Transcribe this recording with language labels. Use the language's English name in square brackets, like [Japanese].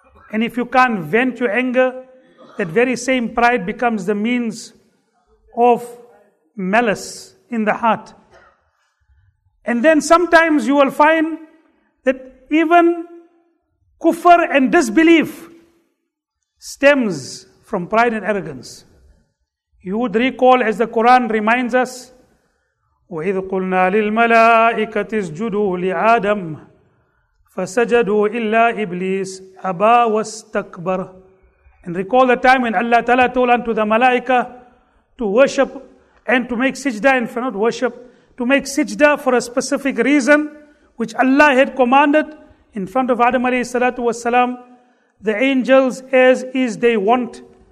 [English] And if you can't vent your anger, that very same pride becomes the means of malice in the heart. And then sometimes you will find that even kufr and disbelief stems from pride and arrogance. You would recall, as the Quran reminds us, [Arabic] وَإِذْ قُلْنَا لِلْمَلَائِكَةِ اسْجُدُوا لِعَادَمْ فَسَجَدُوا إِلَّا إِبْلِيسِ أَبَا وَاسْتَكْبَرَ. [English] And recall the time when Allah Ta'ala told unto the Malaika to worship and to make sijda, and for not worship, to make sijda for a specific reason which Allah had commanded in front of Adam alayhi salatu wasalam, the angels as is they want.